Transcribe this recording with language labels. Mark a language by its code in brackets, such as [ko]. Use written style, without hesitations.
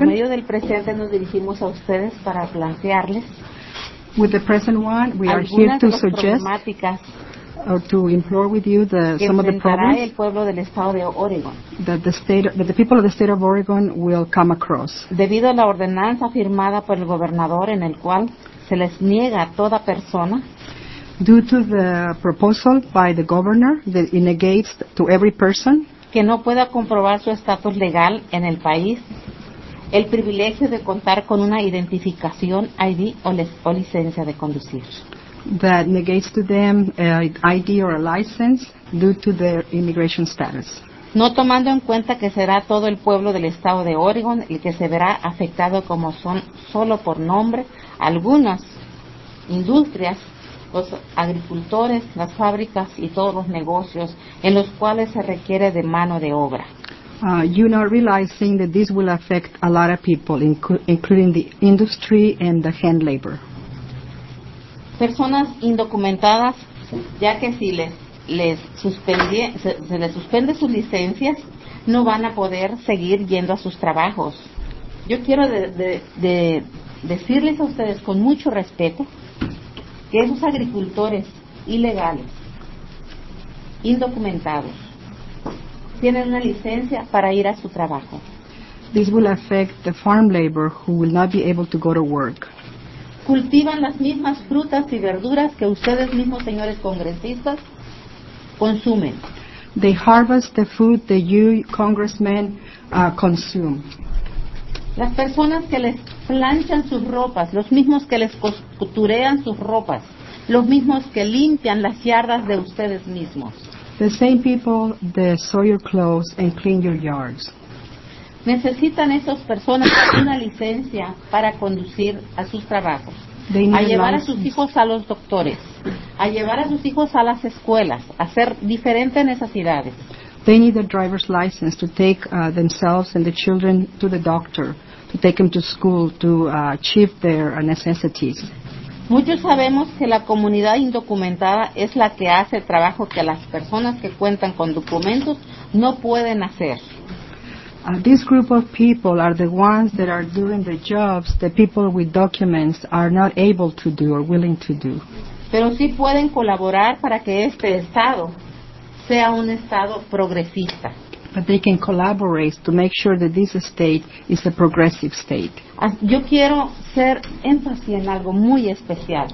[es] Por medio del presente nos dirigimos a ustedes para plantearles. [en] With the present one, we are here to suggest or to implore with you the, some of the problems [es] el pueblo del estado de Oregon. [en] That the people of the state of Oregon will come across. [es] Debido a la ordenanza firmada por el gobernador en el cual se les niega a toda persona. [en] Due to the proposal by the governor that it negates to every person [es] que no pueda comprobar su estatus legal en el país el privilegio de contar con una identificación ID o licencia de conducir. [en] That negates to them ID or a license due to their immigration status. [es] No tomando en cuenta que será todo el pueblo del estado de Oregon el que se verá afectado como son solo por nombre algunas industrias, los agricultores, las fábricas y todos los negocios en los cuales se requiere de mano de obra. [en] You not realizing that this will affect a lot of people, including the industry and the hand labor. [es] Personas indocumentadas, ya que si les suspende sus licencias, no van a poder seguir yendo a sus trabajos. Yo quiero de decirles a ustedes con mucho respeto que esos agricultores ilegales, indocumentados, tienen una licencia para ir a su trabajo. [en] This will affect the farm labor who will not be able to go to work. [es] Cultivan las mismas frutas y verduras que ustedes mismos, señores congresistas, consumen. [en] They harvest the food that you, congressmen, consume. [es] Las personas que les planchan sus ropas, los mismos que les costurean sus ropas, los mismos que limpian las yardas de ustedes mismos. [en] The same people that sew your clothes and clean your yards. [es] Necesitan esas personas una licencia para conducir a sus trabajos, a llevar a sus hijos a los doctores, a llevar a sus hijos a las escuelas, a hacer diferentes necesidades. [en] They need a driver's license to take themselves and the children to the doctor, to take them to school, to achieve their necessities. [es] Muchos sabemos que la comunidad indocumentada es la que hace trabajo que las personas que cuentan con documentos no pueden hacer. [en] This group of people are the ones that are doing the jobs that people with documents are not able to do or willing to do. [es] Pero sí pueden colaborar para que este estado sea un estado progresista. [en] But they can collaborate to make sure that this state is a progressive state. [es] Yo quiero ser énfasis en algo muy especial.